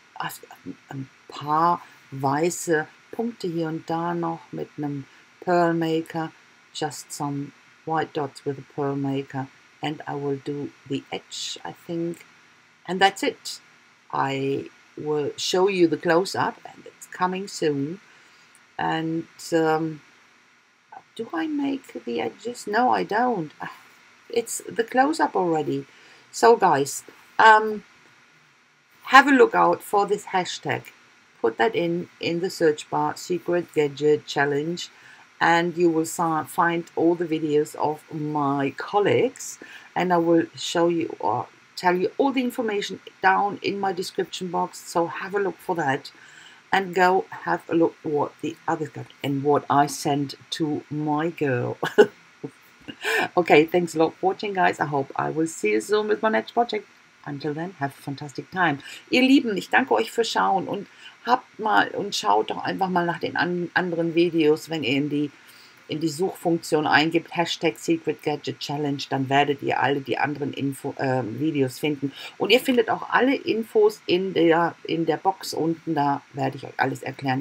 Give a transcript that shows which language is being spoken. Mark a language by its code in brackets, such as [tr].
[de] Ein paar weiße Punkte hier und da noch mit einem Pearl Maker. [en] Just some white dots with a Pearl Maker. And I will do the edge, I think. And that's it. I will show you the close-up and it's coming soon. And do I make the edges? No, I don't. It's the close-up already. So, guys, have a look out for this hashtag. Put that in the search bar, Secret Gadget Challenge, and you will find all the videos of my colleagues. And I will show you or tell you all the information down in my description box. So have a look for that and go have a look what the others got and what I sent to my girl. Okay, thanks a lot for watching, guys. I hope I will see you soon with my next project. Until then, have a fantastic time. [de] Ihr Lieben, ich danke euch für Schauen und habt mal und schaut doch einfach mal nach den anderen Videos, wenn ihr in die Suchfunktion eingibt, Hashtag Secret Gadget Challenge, dann werdet ihr alle die anderen Videos finden. Und ihr findet auch alle Infos in der Box unten, da werde ich euch alles erklären.